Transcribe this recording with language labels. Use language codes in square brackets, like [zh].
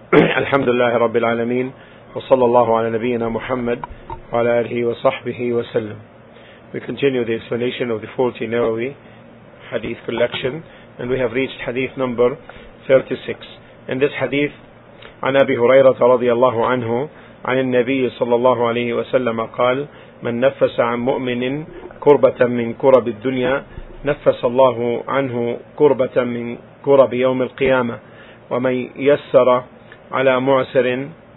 [ar] الحمد لله رب العالمين، وصلى الله على نبينا محمد وعلى آله وصحبه وسلم. [en] We continue the explanation of the 40 Nawawi hadith collection, and we have reached hadith number 36. In this hadith, [ar] عن أبي هريرة رضي الله عنه عن النبي صلى الله عليه وسلم قال: من نفس عن مؤمن كربة من كرب الدنيا نفس الله عنه كربة من كرب يوم القيامة، ومن يسر على معسر